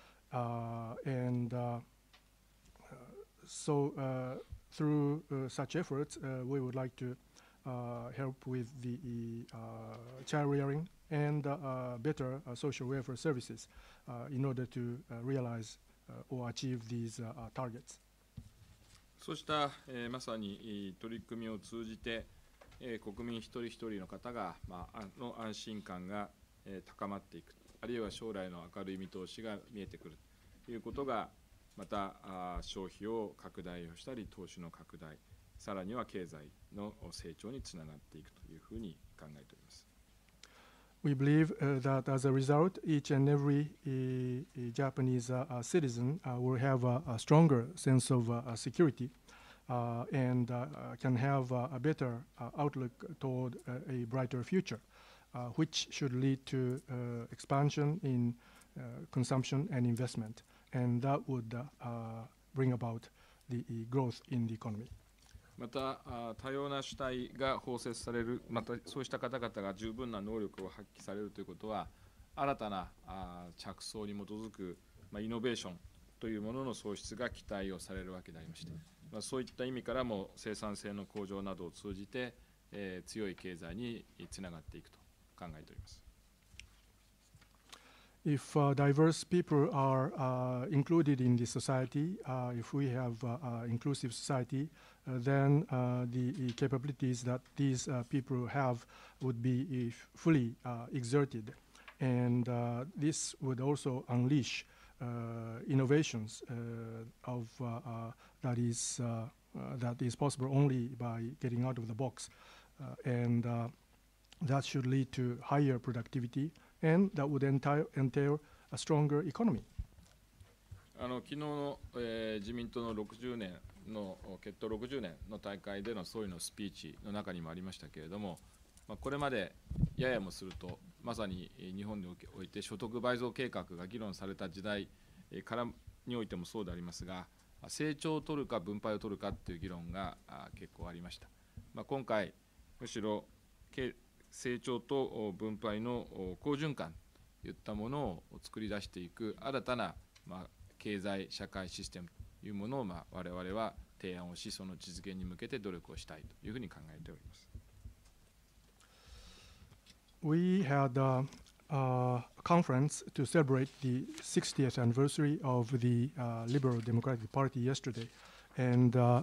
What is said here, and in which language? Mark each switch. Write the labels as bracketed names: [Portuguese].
[English] So through such efforts, we would like to help with the child rearing and better social welfare services in order to realize or achieve these targets. [Japanese] そうした、まさに取り組みを通じて、国民一人一人の方が、まあの安心感が高まっていく、あるいは将来の明るい見通しが見えてくるということが、また消費を拡大をしたり、投資の拡大、さらには経済の成長につながっていくというふうに考えております。 [English] We believe that as a result, each and every Japanese citizen will have a stronger sense of security and can have a better outlook toward a brighter future, which should lead to expansion in consumption and investment, and that would bring about the growth in the economy. [Japanese] また多様な主体が包摂される、またそうした方々が十分な能力を発揮されるということは、新たな着想に基づくイノベーションというものの創出が期待をされるわけでありまして、そういった意味からも生産性の向上などを通じて強い経済につながっていくと考えております。 [English] If diverse people are included in the society, if we have an inclusive societyThen the capabilities that these people have would be fully exerted, and this would also unleash innovations of that is possible only by getting out of the box, and that should lead to higher productivity, and that would entail a stronger economy. [Japanese] 昨日の自民党の60年の結党60年の大会での総理のスピーチの中にもありましたけれども、これまでややもするとまさに日本において所得倍増計画が議論された時代からにおいてもそうでありますが、成長を取るか分配を取るかという議論が結構ありました。今回むしろ成長と分配の好循環といったものを作り出していく新たな経済社会システムというものを我々は提案をし、その実現に向けて努力をしたいというふうに考えております。 [English] We had a conference to celebrate the 60th anniversary of the Liberal Democratic Party yesterday, and